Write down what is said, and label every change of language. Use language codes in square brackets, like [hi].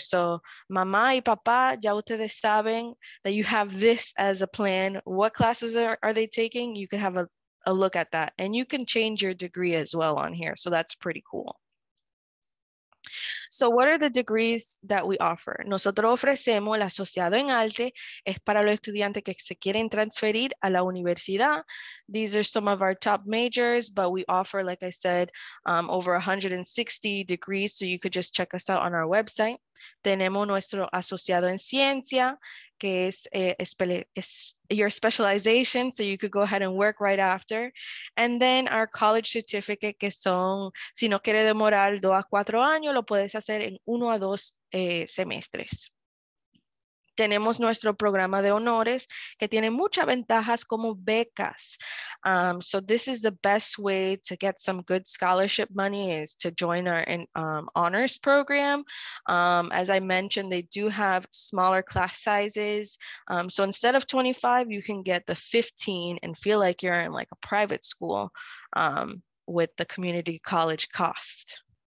[en] So [es] mamá y papá, ya ustedes saben [en] that you have this as a plan. What classes are they taking? You can have a look at that. And you can change your degree as well on here. So that's pretty cool. So what are the degrees that we offer? [es] Nosotros ofrecemos el asociado en arte, es para los estudiantes que se quieren transferir a la universidad. [en] These are some of our top majors, but we offer, like I said, over 160 degrees, so you could just check us out on our website. [es] tenemos nuestro asociado en ciencia, que es [en] your specialization, so you could go ahead and work right after. And then our college certificate, [es] que son, si no quiere demorar 2 a 4 años, lo puedes hacer en 1 a 2 semestres. Tenemos nuestro programa de honores que tiene muchas ventajas como becas. [en] So this is the best way to get some good scholarship money is to join our honors program. As I mentioned, they do have smaller class sizes. So instead of 25, you can get the 15 and feel like you're in like a private school with the community college cost.